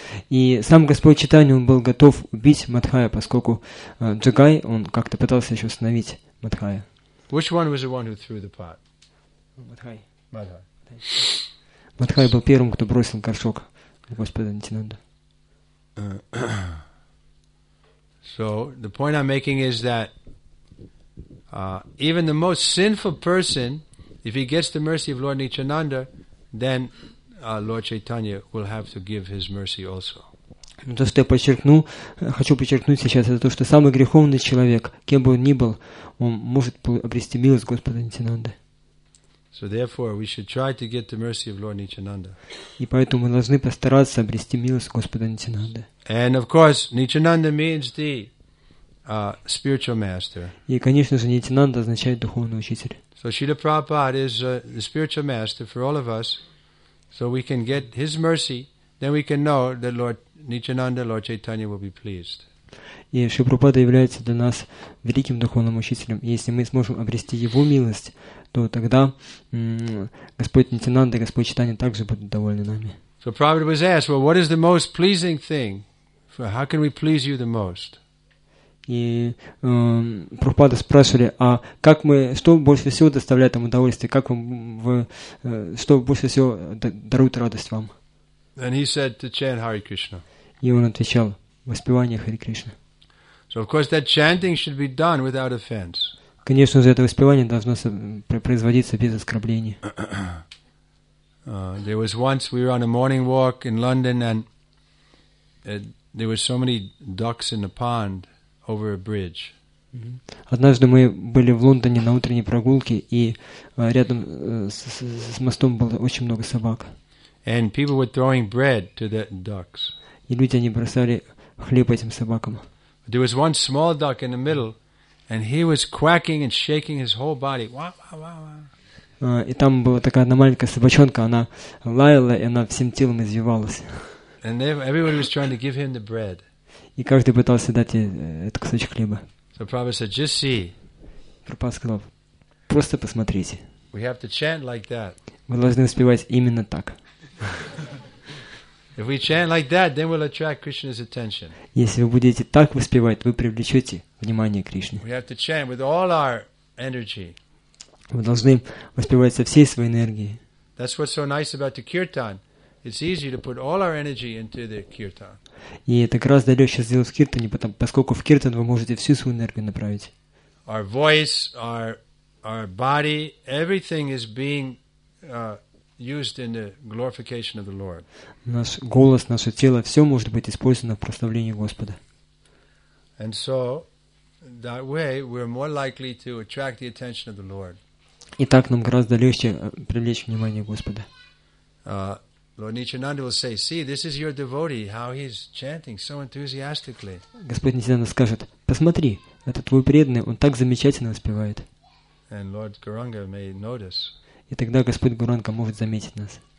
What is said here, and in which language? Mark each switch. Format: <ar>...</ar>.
<ru>И сам Господь Чайтанья, он был готов убить Мадхая, поскольку Джагай, он как-то пытался еще остановить Мадхая.</ru> <en>Which one was the one who threw the pot?</en> <ru>Мадхай. Мадхай был первым, кто бросил горшок Господа Нитянанды.</ru> <en>So the point I'm making is that even the most sinful person, if he gets the mercy of Lord Nityananda, then Lord Chaitanya will have to give his mercy also.</en> <ru>Но то, что я подчеркну, хочу подчеркнуть сейчас, это то, что самый греховный человек, кем бы он ни был, он может обрести милость Господа Нитянанды.</ru> <en>So therefore, we should try to get the mercy of Lord Nityananda.</en> <ru>И поэтому мы должны постараться обрести милость Господа Нитянанды.</ru> <en>And of course, Nityananda means the spiritual master.</en> <ru>И, конечно же, нитинанда означает духовный учитель.</ru> <en>So Srila Prabhupada is the spiritual master for all of us, so we can get his mercy, then we can know that Lord Nityananda, Lord Chaitanya will be pleased.</en> <ru>И Шри Прабхупада является для нас великим духовным учителем. И если мы сможем обрести Его милость, то тогда Господь Нитинанда и Господь Чайтанья также будут довольны нами.</ru> <en>So Prabhupada was asked, well, what is the most pleasing thing? How can we please you the most?</en> <ru>И Прабхупада спрашивали, а как мы, что больше всего доставляет вам удовольствие? Как вам, что больше всего дарует радость вам?</ru> <en>And he said to chant Hare Krishna.</en> <ru>И он отвечал, воспевание Хари Кришны.</ru> <en>So of course that chanting should be done without offense.</en> <ru>Конечно же, это воспевание должно производиться без оскорблений.</ru> <en>There was once we were on a morning walk in London, and there were so many ducks in the pond over a bridge.</en> <ru>Однажды мы были в Лондоне на утренней прогулке, и рядом с мостом было очень много собак.</ru> <en>And people were throwing bread to the ducks.</en> <ru>И люди они бросали хлеб этим собакам.</ru> <en>There was one small duck in the middle, and he was quacking and shaking his whole body. Wah, wah, wah, wah.</en> <ru>И там была такая одна маленькая собачонка, она лаяла, и она всем телом извивалась.</ru> <en>And everybody was trying to give him the bread.</en> <ru>И каждый пытался дать этот кусочек хлеба.</ru> <en>So Prabhupada said, just see.</en> <ru>Прабхупада сказал, просто посмотрите.</ru> <en>We have to chant like that.</en> <ru>Мы должны успевать именно так.</ru> <en>If we chant like that, then we'll attract Krishna's attention.</en> <ru>Если вы будете так воспевать, вы привлечете внимание Кришны.</ru> <en>We have to chant with all our energy.</en> <ru>Вы должны воспевать со всей своей энергией.</ru> <en>That's what's so nice about the kirtan. It's easy to put all our energy into the kirtan.</en> <ru>И это как раз далеко сейчас сделать в киртане, поскольку в киртан вы можете всю свою энергию направить.</ru> <en>Our voice, our body, everything is being used in the glorification of the Lord.</en> <ru>Наш голос, наше тело, все может быть использовано в прославлении Господа.</ru> <en>And so that way we're more likely to attract the attention of the Lord.</en> <ru>И так нам гораздо легче привлечь внимание Господа.</ru> <en>Lord Nityananda will say, "See, this is your devotee. How he's chanting so enthusiastically."</en> <ru>Господь Нитинанда скажет: "Посмотри, этот твой преданный, он так замечательно воспевает."</ru> <en>And Lord Gauranga may notice.</en> <ru>И тогда Господь Гуранга может заметить нас.</ru>